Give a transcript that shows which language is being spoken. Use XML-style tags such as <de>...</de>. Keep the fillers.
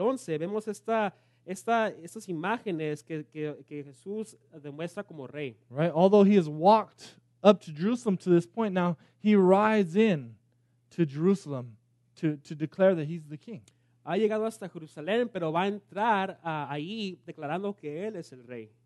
<es>11 vemos esta, esta, estas imágenes que, que, que Jesús demuestra como rey.</es> <en>Right? Although he has walked up to Jerusalem to this point, now he rides in to Jerusalem to, to declare that he's the king.</en> <es>Ha llegado hasta Jerusalén, pero va a entrar uh, ahí declarando que él es el rey.</es>